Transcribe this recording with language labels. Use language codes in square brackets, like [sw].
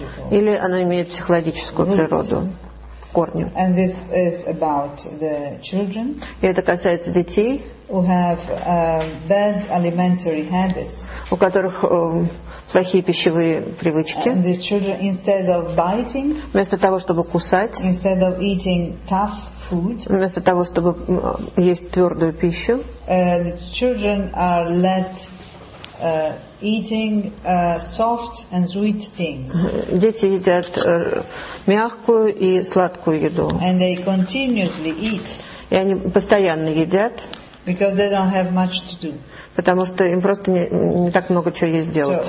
[ru] Или оно имеет психологическую природу, корню. [en] And this is about the children, [ru] и это касается детей, [en] who have, bad alimentary habits, [ru] у которых плохие пищевые привычки. [en] And these children, instead of biting, [ru] вместо того, чтобы кусать, [en] instead of eating tough, [ru] вместо того, чтобы есть твердую пищу, [en] The children are left eating soft and sweet things. [ru] Дети едят мягкую и сладкую еду. [en] And they continuously eat. [ru] И они постоянно едят. [en] Because they don't have much to do. [ru] Потому что им просто не так много чего есть делать.